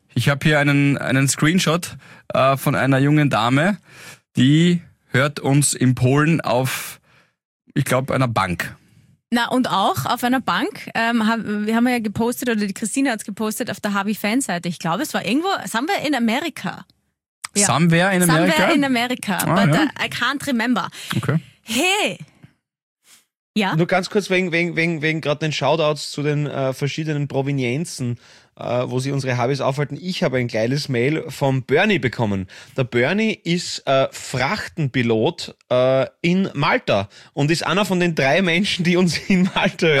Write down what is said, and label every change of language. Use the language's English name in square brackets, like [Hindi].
[German] Ich habe hier einen Screenshot von einer jungen Dame, die hört uns in Polen auf, ich glaube, einer Bank. Na, und auch auf einer Bank. Wir haben ja gepostet, oder die Christine hat es gepostet, auf der Havi-Fanseite. Ich glaube, es war irgendwo, sind wir in Amerika. Ja. [English] Somewhere in America? Somewhere in America, but I can't remember. Okay. [German] Hey! Ja? Nur ganz kurz wegen gerade den Shoutouts zu den verschiedenen Provenienzen, wo sie unsere Habis aufhalten. Ich habe ein geiles Mail vom Bernie bekommen. Der Bernie ist Frachtenpilot in Malta und ist einer von den drei Menschen, die uns in Malta hören.